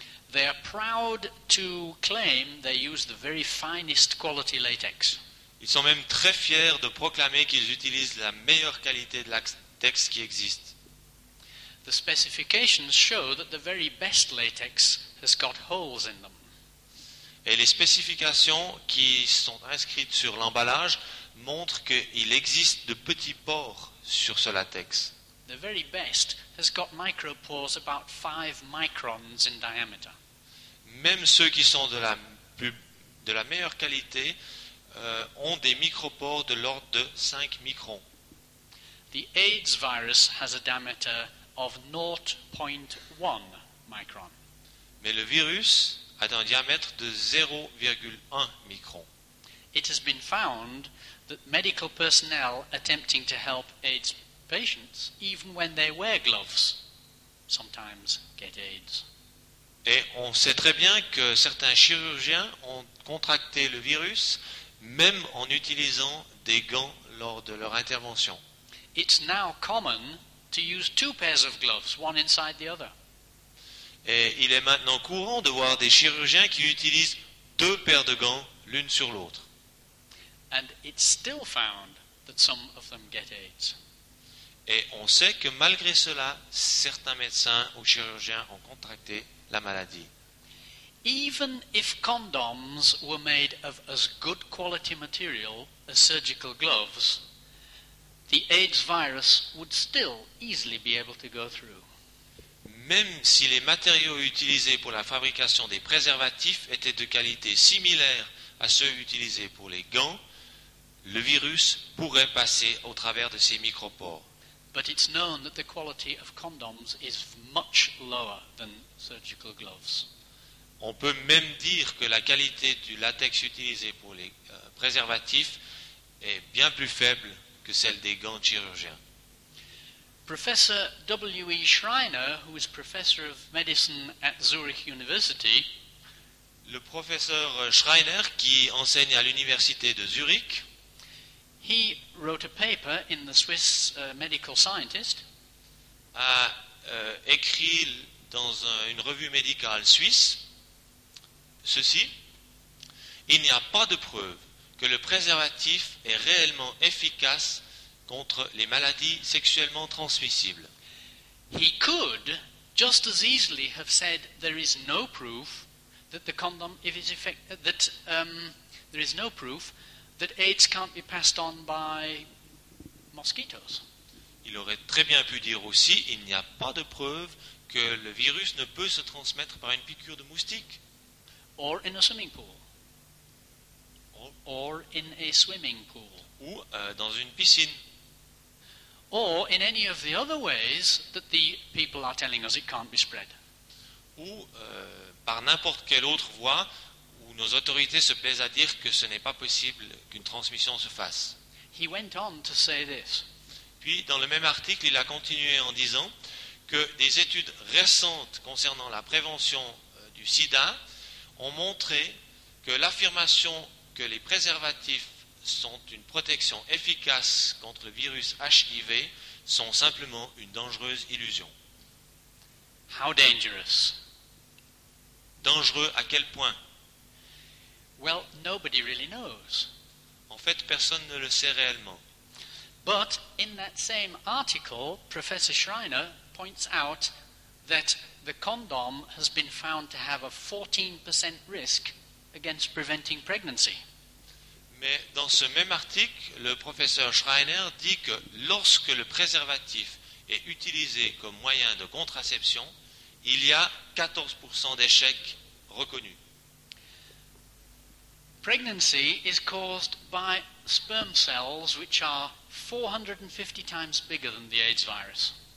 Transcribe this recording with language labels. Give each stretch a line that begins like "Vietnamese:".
English: They are proud to claim they use the very finest quality latex.
French: Ils sont même très fiers de proclamer qu'ils utilisent la meilleure qualité de latex qui existe.
English: The specifications show that the very best latex has got holes in them.
French: Et les spécifications qui sont inscrites sur l'emballage montrent qu'il existe de petits pores sur ce latex.
English: The very best has got micropores about 5 microns in diameter.
French: Même ceux qui sont de la meilleure qualité ont des micropores de l'ordre de 5 microns.
English: The AIDS virus has a diameter of 0.1 micron.
French: Mais le virus a un diamètre de 0,1 micron.
English: It has been found that medical personnel attempting to help AIDS patients, even when they wear gloves, sometimes get AIDS.
French: Et on sait très bien que certains chirurgiens ont contracté le virus même en utilisant des gants lors de leur intervention.
English: It's now common to use two pairs of gloves, one inside the other.
French: Et il est maintenant courant de voir des chirurgiens qui utilisent deux paires de gants l'une sur l'autre.
English: And it's still found that some of them get AIDS.
French: Et on sait que malgré cela, certains médecins ou chirurgiens ont contracté la maladie.
English: Even if condoms were made of as good quality material as surgical gloves, the AIDS virus would still easily be able to go through.
French: Même si les matériaux utilisés pour la fabrication des préservatifs étaient de qualité similaire à ceux utilisés pour les gants, le virus pourrait passer au travers de ces micropores.
English: But it's known that the quality of condoms is much lower than surgical gloves.
French: On peut même dire que la qualité du latex utilisé pour les préservatifs est bien plus faible que celle des gants chirurgiens.
English: Professor W.E. Schreiner, who is professor of medicine at Zurich University,
French: le professeur Schreiner qui enseigne à l'université de Zurich,
English: he wrote a paper in the Swiss Medical Scientist.
French: A écrit dans une revue médicale suisse ceci. Il n'y a pas de preuve que le préservatif est réellement efficace contre les maladies sexuellement transmissibles.
English: He could just as easily have said there is no proof that the condom is there is no proof that AIDS can't be passed on by mosquitoes.
French: Il aurait très bien pu dire aussi, il n'y a pas de preuve que le virus ne peut se transmettre par une piqûre de moustique.
English: Or in a swimming pool. Or in a swimming pool.
French: Ou dans une piscine.
English: Or in any of the other ways that the people are telling us it can't be spread.
French: Ou par n'importe quelle autre voie. Nos autorités se plaisent à dire que ce n'est pas possible qu'une transmission se fasse.
English: He went on to say this.
French: Puis, dans le même article, il a continué en disant que des études récentes concernant la prévention du sida ont montré que l'affirmation que les préservatifs sont une protection efficace contre le virus HIV sont simplement une dangereuse illusion.
English: How dangerous?
French: Dangereux à quel point?
English: Well, nobody really knows.
French: En fait, personne ne le sait réellement.
English: But in that same article, Professor Schreiner points out that the condom has been found to have a 14% risk against preventing pregnancy.
French: Mais dans ce même article, le professeur Schreiner dit que lorsque le préservatif est utilisé comme moyen de contraception, il y a 14% d'échecs reconnus.
English: Pregnancy is caused by sperm cells which are 450 times bigger than the AIDS virus.